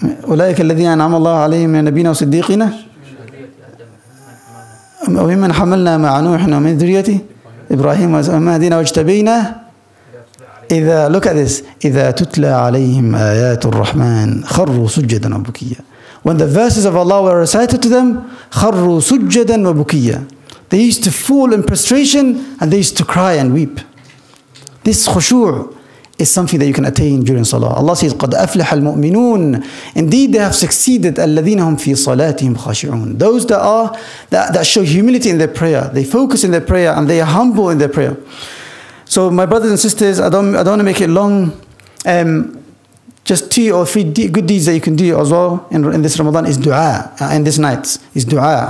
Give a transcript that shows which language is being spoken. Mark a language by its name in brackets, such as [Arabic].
[Arabic] أُولَٰئِكَ الَّذِينَ أَنْعَمَ اللَّهُ عَلَيْهِمْ مِنَ النَّبِيِّينَ وَالصِّدِّيقِينَ وَمِمَّنْ حَمَلْنَا مَعَ نُوحٍ وَمِنْ ذُرِّيَّتِهِ إبراهيم وما هدينا واجتبينا إذا [English] look at this [Arabic] إذا تتلى عليهم آيات الرحمن خروا سجدا وبكيا. [English] When the verses of Allah were recited to them, [Arabic] خروا سجدا وبكيا. [English] They used to fall in prostration and they used to cry and weep. This خشوع is something that you can attain during salah. Allah says [Arabic] قد أفلح المؤمنون. [English] Indeed they have succeeded [Arabic] الذين هم في صلاتهم خاشعون. [English] Those that show humility in their prayer, they focus in their prayer and they are humble in their prayer. So my brothers and sisters, I don't want to make it long. Just two or three good deeds that you can do as well in this Ramadan is dua, in this night is dua.